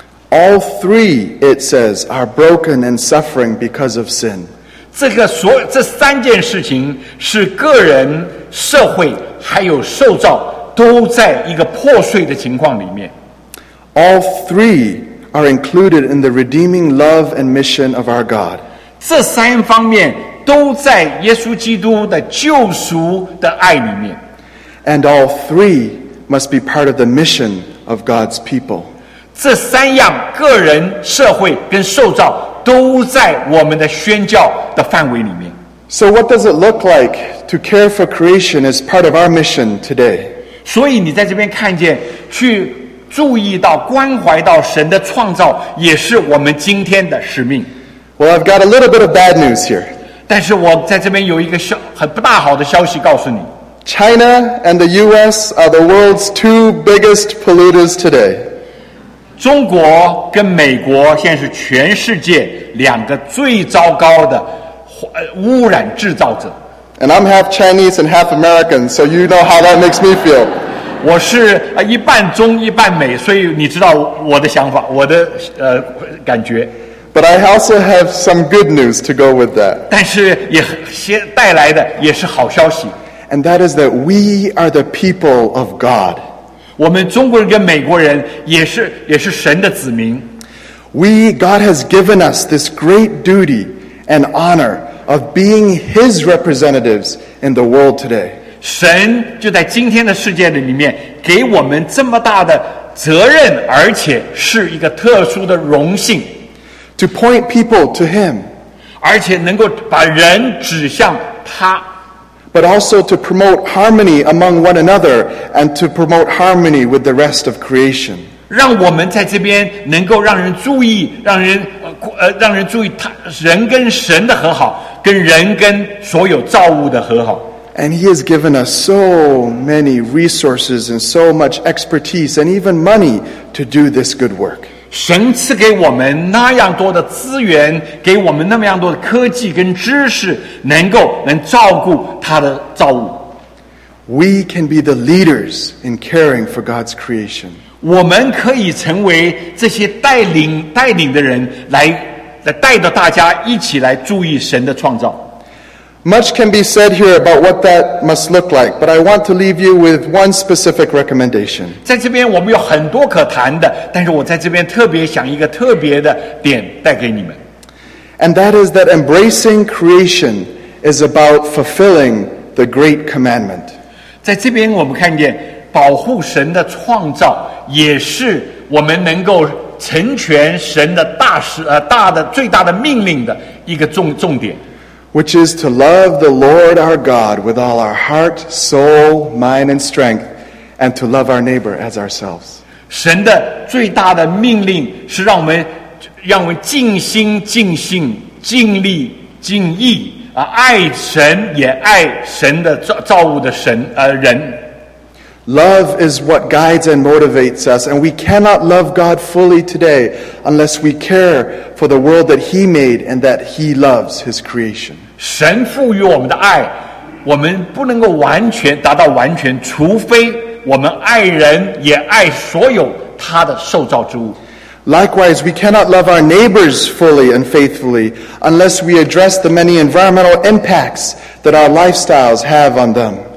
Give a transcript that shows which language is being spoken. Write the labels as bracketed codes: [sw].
[en] All three, it says, are broken and suffering because of sin. [zh] 这三件事情是个人、社会还有受造都在一个破碎的情况里面。 [en] All three are included in the redeeming love and mission of our God. [zh] 这三方面都在耶稣基督的救赎的爱里面。 [en] And all three must be part of the mission of God's people. [zh] 这三样，个人、社会跟受造，都在我们的宣教的范围里面。 [en] So what does it look like to care for creation as part of our mission today? [zh] 所以你在这边看见，去注意到、关怀到神的创造，也是我们今天的使命。 [en] Well, I've got a little bit of bad news here. [zh] 但是我在这边有一个很不大好的消息告诉你。 [en] China and the U.S. are the world's two biggest polluters today. [zh] 中国跟美国现在是全世界两个最糟糕的污染制造者。 [en] And I'm half Chinese and half American, so you know how that makes me feel. [zh] 我是一半中一半美，所以你知道我的想法，我的感觉。 [en] But I also have some good news to go with that. [zh] 但是也带来的也是好消息。 [en] And that is that we are the people of God. [zh] 我们中国人跟美国人也是神的子民。 [en] We, God has given us this great duty and honor of being His representatives in the world today. [zh] 神就在今天的世界里面给我们这么大的责任，而且是一个特殊的荣幸。 [en] To point people to Him. [zh] 而且能够把人指向他。 [en] But also to promote harmony among one another and to promote harmony with the rest of creation. [zh] 让我们在这边能够让人注意，让人注意他人跟神的和好，跟人跟所有造物的和好。 [en] And He has given us so many resources and so much expertise and even money to do this good work. [zh] 神赐给我们那样多的资源，给我们那么样多的科技跟知识，能照顾他的造物。 [en] We can be the leaders in caring for God's creation. [zh] 我们可以成为这些带领的人，来带着大家一起来注意神的创造。 [en] Much can be said here about what that must look like, but I want to leave you with one specific recommendation. [zh] 在这边我们有很多可谈的，但是我在这边特别想一个特别的点带给你们。 [en] And that is that embracing creation is about fulfilling the great commandment. [zh] 在这边我们看见保护神的创造也是我们能够成全神的最大的命令的一个重点。 [en] Which is to love the Lord our God with all our heart, soul, mind, and strength, and to love our neighbor as ourselves. [zh] 神的最大的命令是让我们尽心、尽性、尽力、尽意啊，爱神也爱神的造物的神人。 [en] Love is what guides and motivates us, and we cannot love God fully today unless we care for the world that He made and that He loves His creation. [zh] 神赋予我们的爱，我们不能够完全达到完全，除非我们爱人也爱所有他的受造之物。 [en] Likewise, we cannot love our neighbors fully and faithfully unless we address the many environmental impacts that our lifestyles have on them.